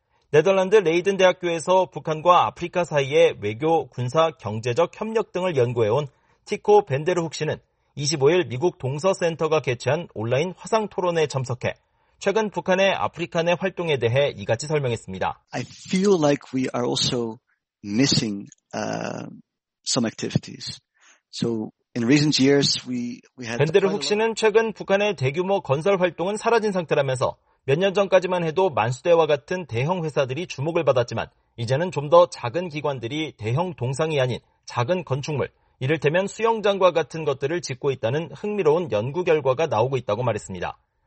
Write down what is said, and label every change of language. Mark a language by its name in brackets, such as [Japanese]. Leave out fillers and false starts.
[Korean] 네덜란드 레이든 대학교에서 북한과 아프리카 사이의 외교, 군사, 경제적 협력 등을 연구해온 티코 벤데르훅 씨는 25일 미국 동서센터가 개최한 온라인 화상 토론에 참석해 최근 북한의 아프리카 내 활동에 대해 이같이 설명했습니다. [English] I feel like we are also missing some activities. So in recent years we had [Korean] 벤데르훅 씨는 최근 북한의 대규모 건설 활동은 사라진 상태라면서 몇 년 전까지만 해도 만수대와 같은 대형 회사들이 주목을 받았지만 이제는 좀 더 작은 기관들이 대형 동상이 아닌 작은 건축물, 이를테면 수영장과 같은 것들을 짓고 있다는 흥미로운 연구 결과가 나오고 있다고 말했습니다.